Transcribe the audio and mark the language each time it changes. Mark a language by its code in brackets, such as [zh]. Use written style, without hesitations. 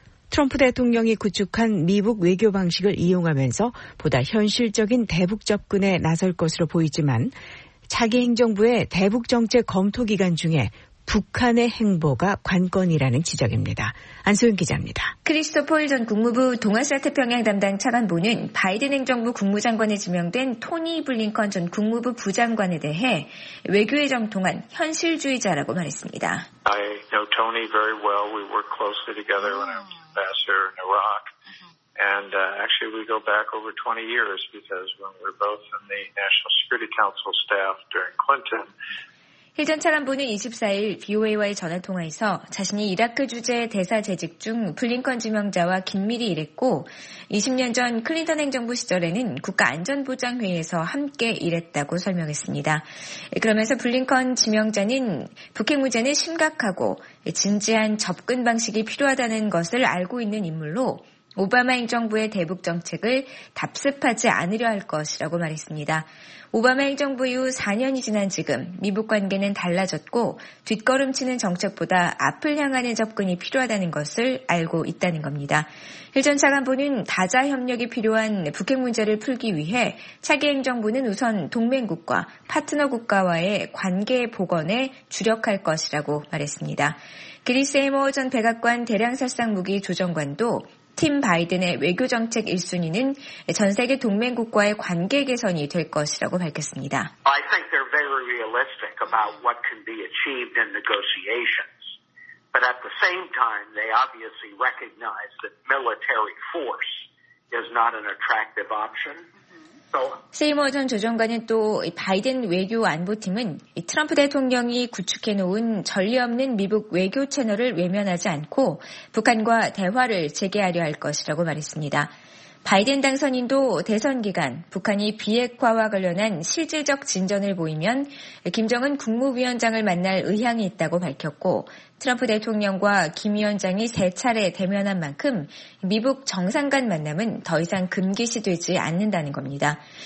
[ko] 트럼프 대통령이 구축한 미국 외교 방식을 이용하면서 보다 현실적인 대북 접근에 나설 것으로 보이지만 차기 행정부의 대북 정책 검토 기간 중에 북한의 행보가 관건이라는 지적입니다. 안소영 기자입니다. 크리스토폴 전 국무부 동아시아태평양 담당 차관보는 바이든 행정부 국무장관에 지명된 토니 블링컨 전 국무부 부장관에 대해 외교의 정통한 현실주의자라고 말했습니다. [en] I know Tony very well. We worked closely together when I was ambassador in Iraq. And actually we go back over 20 years because when we were both in the National Security Council staff during Clinton, [ko] 힐튼 차관보는 24일 BOA와의 전화통화에서 자신이 이라크 주재 대사 재직 중 블링컨 지명자와 긴밀히 일했고 20년 전 클린턴 행정부 시절에는 국가안전보장회의에서 함께 일했다고 설명했습니다. 그러면서 블링컨 지명자는 북핵 문제는 심각하고 진지한 접근 방식이 필요하다는 것을 알고 있는 인물로 오바마 행정부의 대북 정책을 답습하지 않으려 할 것이라고 말했습니다. 오바마 행정부 이후 4년이 지난 지금 미북 관계는 달라졌고 뒷걸음치는 정책보다 앞을 향하는 접근이 필요하다는 것을 알고 있다는 겁니다. 힐튼 차관보는 다자 협력이 필요한 북핵 문제를 풀기 위해 차기 행정부는 우선 동맹국과 파트너 국가와의 관계 복원에 주력할 것이라고 말했습니다. 그리스 에머 전 백악관 대량살상무기 조정관도 팀 바이든의 외교정책 1순위는 전 세계 동맹국과의 관계 개선이 될 것이라고 밝혔습니다. [en] I think they're very realistic about what can be achieved in negotiations. But at the same time, they obviously recognize that military force is not an attractive option. [ko] 세이머 전 조정관은 또 바이든 외교 안보팀은 트럼프 대통령이 구축해놓은 전례 없는 미국 외교 채널을 외면하지 않고 북한과 대화를 재개하려 할 것이라고 말했습니다. 바이든 당선인도 대선 기간 북한이 비핵화와 관련한 실질적 진전을 보이면 김정은 국무위원장을 만날 의향이 있다고 밝혔고 트럼프 대통령과 김 위원장이 세 차례 대면한 만큼 미북 정상 간 만남은 더 이상 금기시되지 않는다는 겁니다.